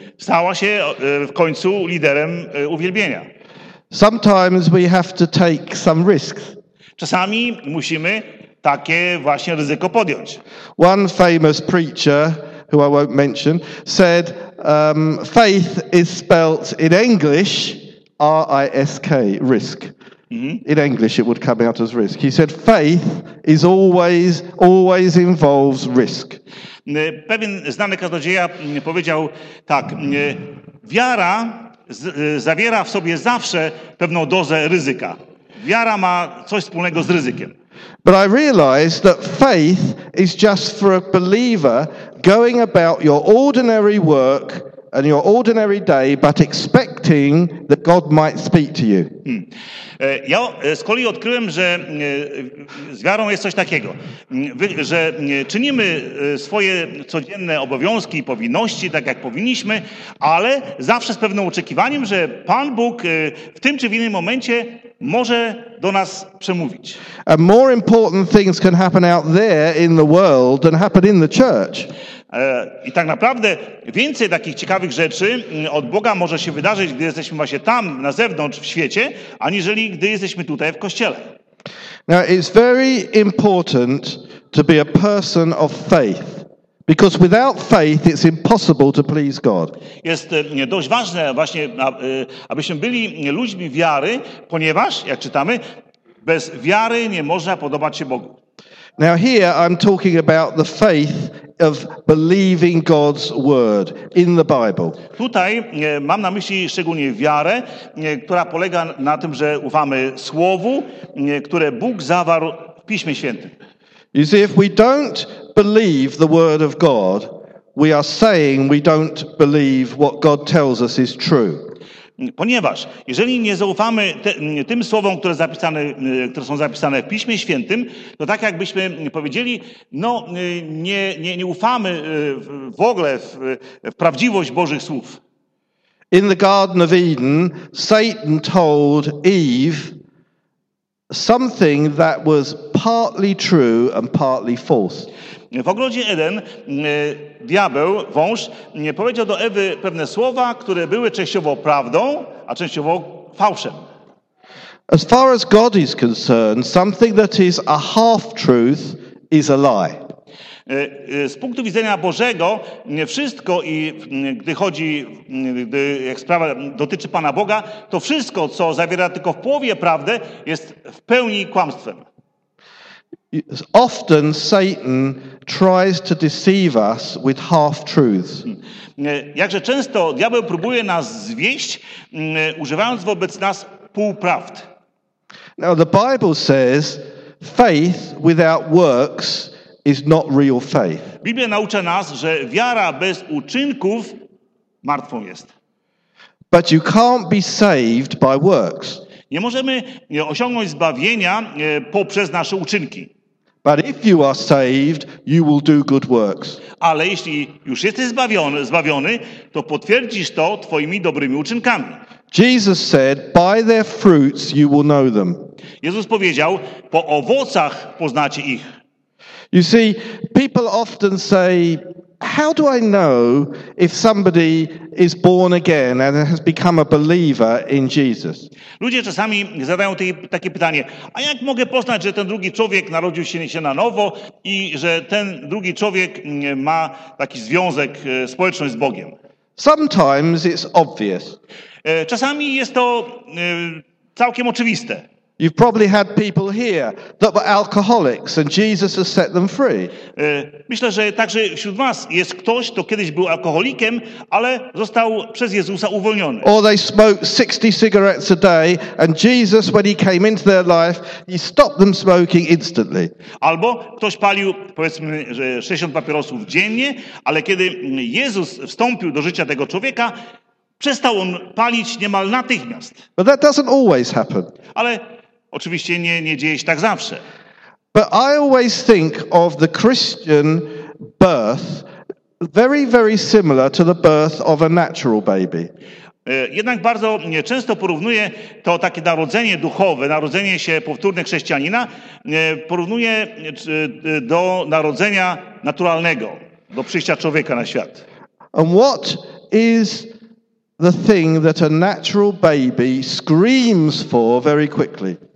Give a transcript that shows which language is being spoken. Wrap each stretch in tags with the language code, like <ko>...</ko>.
<pl>Stała się w końcu liderem uwielbienia.</pl> <en>Sometimes we have to take some risks.</en> <pl>Czasami musimy takie właśnie ryzyko podjąć.</pl> <en>One famous preacher, who I won't mention, said faith is spelt in English R-I-S-K, risk. Mm-hmm. In English it would come out as risk. He said faith is always involves risk.</en> <pl>Pewien znany kaznodzieja powiedział tak: wiara zawiera w sobie zawsze pewną dozę ryzyka. Wiara ma coś wspólnego z ryzykiem.</pl> <en>But I realized that faith is just for a believer going about your ordinary work and your ordinary day, but expecting that God might speak to you.</en> <pl>Ja z kolei odkryłem, że z wiarą jest coś takiego, że czynimy swoje codzienne obowiązki i powinności, tak jak powinniśmy, ale zawsze z pewnym oczekiwaniem, że Pan Bóg w tym czy w innym momencie może do nas przemówić.</pl> <en>And more important things can happen out there in the world than happen in the church.</en> <pl>I tak naprawdę więcej takich ciekawych rzeczy od Boga może się wydarzyć, gdy jesteśmy właśnie tam, na zewnątrz, w świecie, aniżeli gdy jesteśmy tutaj w kościele.</pl> <en>Now it's very important to be a person of faith, because without faith it's impossible to please God.</en> <pl>Jest dość ważne właśnie, abyśmy byli ludźmi wiary, ponieważ, jak czytamy, bez wiary nie można podobać się Bogu.</pl> <en>Now here I'm talking about the faith of believing God's word in the Bible.</en> <pl>Tutaj mam na myśli szczególnie wiarę, która polega na tym, że ufamy słowu, które Bóg zawarł w Piśmie Świętym.</pl> <en>You see, if we don't believe the word of God, we are saying we don't believe what God tells us is true.</en> <pl>Ponieważ jeżeli nie zaufamy tym słowom, które są zapisane w Piśmie Świętym, to tak jakbyśmy powiedzieli, no nie ufamy w ogóle w prawdziwość Bożych słów.</pl> <en>In the Garden of Eden, Satan told Eve something that was partly true and partly false.</en> <pl>W ogrodzie Eden diabeł, wąż, powiedział do Ewy pewne słowa, które były częściowo prawdą, a częściowo fałszem.</pl> <en>As far as God is concerned, something that is a half truth is a lie.</en> <pl>Z punktu widzenia Bożego, nie wszystko, i gdy chodzi, jak sprawa dotyczy Pana Boga, to wszystko, co zawiera tylko w połowie prawdę, jest w pełni kłamstwem.</pl> <en>Often Satan tries to deceive us with half truths.</en> <pl>Jakże często diabeł próbuje nas zwieść, używając wobec nas półprawd.</pl> <en>Now the Bible says faith without works is not real faith.</en> <pl>Biblia naucza nas, że wiara bez uczynków martwą jest.</pl> <en>But you can't be saved by works.</en> <pl>Nie możemy osiągnąć zbawienia poprzez nasze uczynki.</pl> <en>But if you are saved, you will do good works.</en> <pl>Ale jeśli już jesteś zbawiony, to potwierdzisz to twoimi dobrymi uczynkami.</pl> <en>Jesus said, "By their fruits you will know them."</en> <pl>Jezus powiedział, po owocach poznacie ich.</pl> <en>You see, people often say, "How do I know if somebody is born again and has become a believer in Jesus?"</en> <pl>Ludzie czasami zadają takie pytanie: a jak mogę poznać, że ten drugi człowiek narodził się na nowo i że ten drugi człowiek ma taki związek, społeczność z Bogiem?</pl> <en>Sometimes it's obvious.</en> <pl>Czasami jest to całkiem oczywiste.</pl> <en>You've probably had people here that were alcoholics and Jesus has set them free.</en> <pl>Myślę, że także wśród was jest ktoś, kto kiedyś był alkoholikiem, ale został przez Jezusa uwolniony.</pl> <en>Or they smoke 60 cigarettes a day and Jesus, when he came into their life, he stopped them smoking instantly.</en> <pl>Albo ktoś palił, powiedzmy, że 60 papierosów dziennie, ale kiedy Jezus wstąpił do życia tego człowieka, przestał on palić niemal natychmiast.</pl> <en>But that doesn't always happen.</en> <pl>Ale oczywiście nie dzieje się tak zawsze.</pl> <en>But I always think of the Christian birth very, very similar to the birth of a natural baby.</en> <pl>Jednak bardzo często porównuję to takie narodzenie duchowe, narodzenie się powtórne chrześcijanina, porównuję do narodzenia naturalnego, do przyjścia człowieka na świat.</pl> <en>And what is the thing that a natural baby screams for very quickly?</en>